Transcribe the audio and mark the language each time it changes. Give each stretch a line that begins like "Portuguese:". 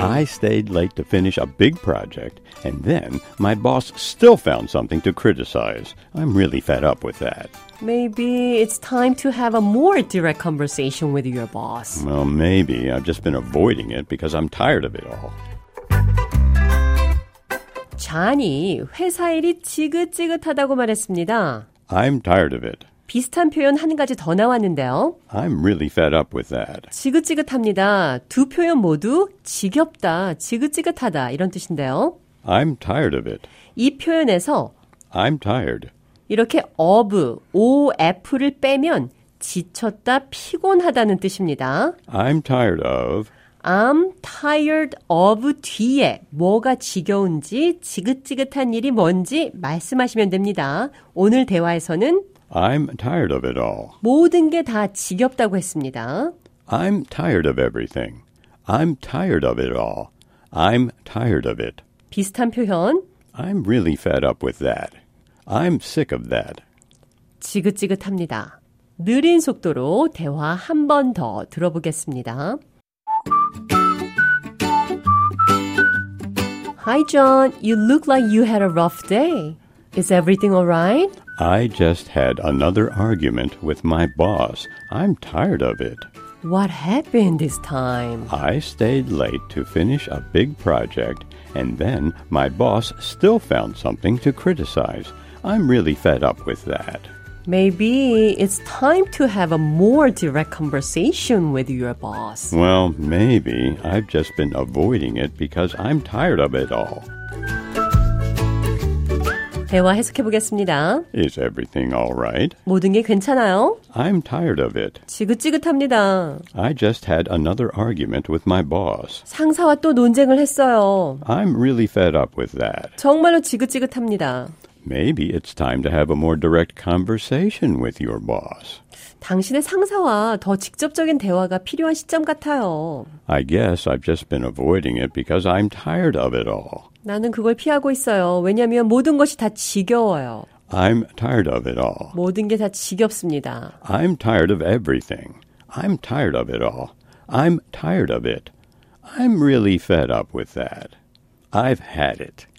English: I stayed late to finish a big project, and then my boss still found something to criticize. I'm really fed up with that. Maybe it's time to have a more direct conversation with your boss. Well, maybe. I've just been avoiding it because I'm tired of it all.
Korean: 잔이 회사 일이 지긋지긋하다고 말했습니다.
English: I'm tired of it.
Korean: 비슷한 표현 한 가지 더 나왔는데요.
English: I'm really fed up with that.
Korean: 지긋지긋합니다. 두 표현 모두 지겹다, 지긋지긋하다 이런 뜻인데요.
English: I'm tired of it.
Korean: 이 표현에서
English: I'm tired.
Korean: 이렇게 of, of를 빼면 지쳤다, 피곤하다는 뜻입니다.
English: I'm tired of. I'm tired of
Korean: 뒤에 뭐가 지겨운지 지긋지긋한 일이 뭔지 말씀하시면 됩니다. 오늘 대화에서는
English: I'm tired of it all.
Korean: 모든 게 다 지겹다고 했습니다.
English: I'm tired of everything. I'm tired of it all. I'm tired of it.
Korean: 비슷한 표현
English: I'm really fed up with that. I'm sick of that.
Korean: 지긋지긋합니다. 느린 속도로 대화 한 번 더 들어보겠습니다.
English: Hi, John. You look like you had a rough day. Is everything all right? I just had another argument with my boss. I'm tired of it. What happened this time? I stayed late to finish a big project, and then my boss still found something to criticize. I'm really fed up with that. Maybe it's time to have a more direct conversation with your boss. Well, maybe. I've just been avoiding it because I'm tired of it all.
Korean: 대화 해석해 보겠습니다.
English: Is everything all right?
Korean: 모든 게 괜찮아요?
English: I'm tired of it.
Korean: 지긋지긋합니다.
English: I just had another argument with my boss.
Korean: 상사와 또 논쟁을 했어요.
English: I'm really fed up with that.
Korean: 정말로 지긋지긋합니다.
English: Maybe it's time to have a more direct conversation with your boss.
Korean: 당신의 상사와 더 직접적인 대화가 필요한 시점 같아요.
English: I guess I've just been avoiding it because I'm tired of it all.
Korean: 나는 그걸 피하고 있어요. 왜냐하면 모든 것이 다 지겨워요.
English: I'm tired of it all.
Korean: 모든 게 다 지겹습니다.
English: I'm tired of everything. I'm tired of it all. I'm tired of it. I'm really fed up with that. I've had it.